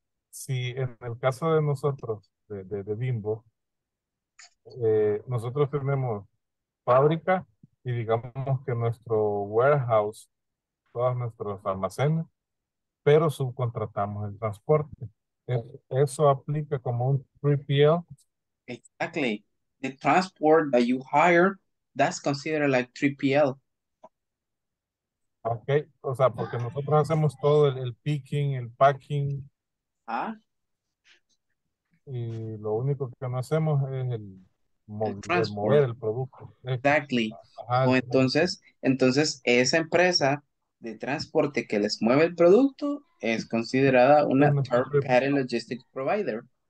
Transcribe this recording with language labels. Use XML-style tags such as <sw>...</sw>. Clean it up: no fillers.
<es>Si en el caso de nosotros, de Bimbo, nosotros tenemos fábrica y digamos que nuestro warehouse, todos nuestros almacenes, pero subcontratamos el transporte. Eso aplica como un 3PL.</es> <en>Exactly. The transport that you hire, that's considered like 3PL.</en> <es>Okay, o sea, porque nosotros hacemos todo el picking, el packing. Ah. Y lo único que no hacemos es el mover el producto.</es> <en>Exactly. Ajá.</en> <es>Entonces, esa empresa de transporte que les mueve el producto es considerada una</es> <en>third party logistics provider.</en>